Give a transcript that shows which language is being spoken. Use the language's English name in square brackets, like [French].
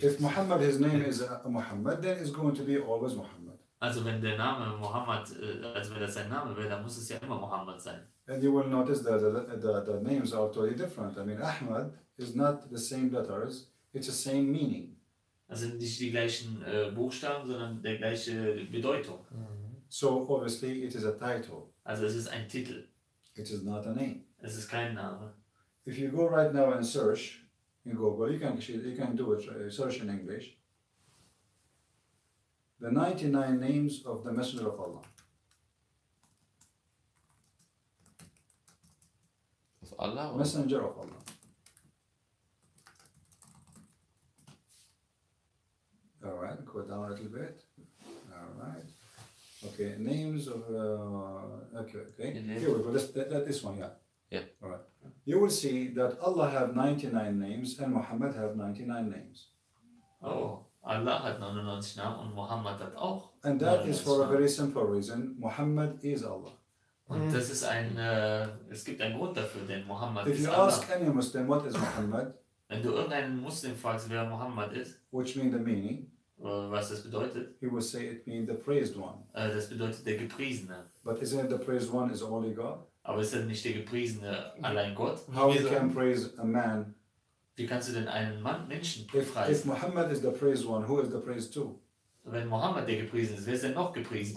[English] If Muhammad, his name is Muhammad, then it's going to be always Muhammad. [German] Also wenn der Name Muhammad, also wenn das sein Name wäre, dann muss es ja immer Muhammad sein. [English] And you will notice that the names are totally different. I mean, Ahmad is not the same letters, it's the same meaning. [German] Also nicht die gleichen Buchstaben, sondern der gleiche Bedeutung. Mm-hmm. [English] So obviously it is a title. [German] Also es ist ein Titel. [English] It is not a name. [German] Es ist kein Name. [English] If you go right now and search, in Google, you can do it, search in English. The 99 names of the Messenger of Allah. Of Allah? Or? Messenger of Allah. All right, go down a little bit. All right. Okay, names of, Here we go, this one, yeah. Yeah. All right. You will see that Allah have 99 names and Muhammad have 99 names. [German] Oh, Allah hat 99 Namen und Muhammad hat auch. [English] And that is for a very simple reason. Muhammad is Allah. [German] Und das ist ein es gibt einen Grund dafür, denn Muhammad ist Allah. [English] If you ask any Muslim what is Muhammad, [German] wenn du irgendeinen Muslim fragst, wer Muhammad ist, [English] which means the meaning, [German] was das bedeutet, [English] he will say it means the praised one. [German] Das bedeutet der Gepriesene. [English] But isn't it the praised one is only God? [German] Aber ist denn nicht der Gepriesene allein Gott? [English] How you can praise a man? [German] Wie kannst du denn einen Mann, Menschen preisen? [English] If Muhammad is the praised one, who is the praised too? [German] Wenn Muhammad der Gepriesene ist, wer ist denn noch gepriesen?